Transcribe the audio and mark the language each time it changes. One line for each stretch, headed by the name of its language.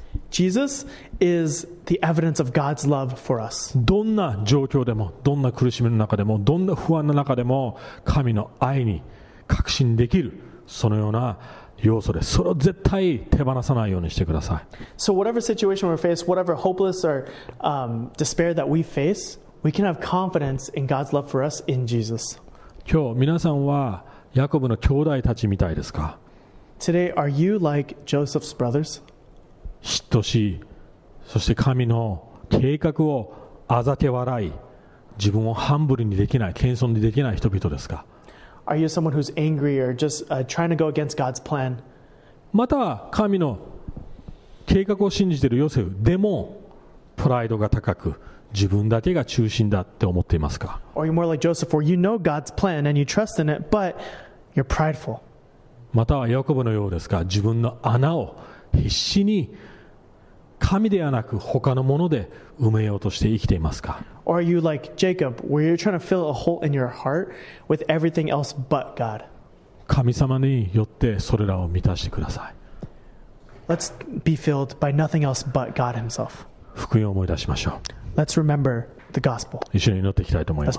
English: Jesus is the evidence of God's love for us.
Japanese: どんな状況でも、どんな苦しみの中でも、どんな不安の中でも、神の愛に確信できる、そのような要素です。それを絶対手放さないようにしてください。
English: So whatever situation we face, whatever hopeless or despair that we face, we can have confidence in God's love for us in Jesus.
Japanese: 今日皆さんはヤコブの兄弟たちみたいですか？
English: Today are you like Joseph's brothers?
Japanese: 嫉妬し、そして神の計画をあざけ笑い、自分をハンブルにできない、謙遜にできない人々ですか？
English: Are you someone who's angry or just trying to go against God's plan?
Japanese: また神の計画を信じているヨセフでもプライドが高く自分だけが中心だって思っていますか？
English: Or you're more like Joseph where you know God's plan and you trust in it, but you're prideful.
Japanese: またはヤコブのようですか？自分の穴を必死に神ではなく他のもので埋めようとして生きていますか？
English: Or are you like Jacob, where you're trying to fill a hole in your heart with everything else but God?
Japanese: 神様によってそれらを満たしてください。
English: Let's be filled by nothing else but God himself.
Japanese: 福音を思い出しましょう。
English: Let's remember the gospel.
Japanese: 一緒に祈っていきたいと思います。